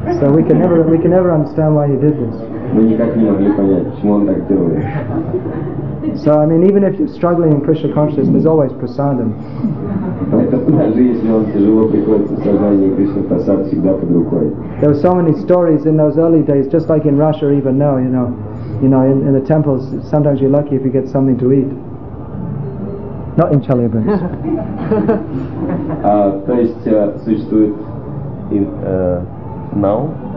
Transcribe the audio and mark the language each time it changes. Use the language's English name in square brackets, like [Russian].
[English] So we can never understand why he did this. [Russian] Мы никак не могли понять, почему он так делает. [English] So I mean, even if you're struggling in Krishna consciousness, there's always prasadam. [Russian] Даже если он тяжело приходится в сознании, Кришна Прасад всегда под рукой. [English] There were so many stories in those early days, just like in Russia even now, you know. You know, in the temples, sometimes you're lucky if you get something to eat. Not in Chelyabinsk. [Russian] То есть существует и [English] now?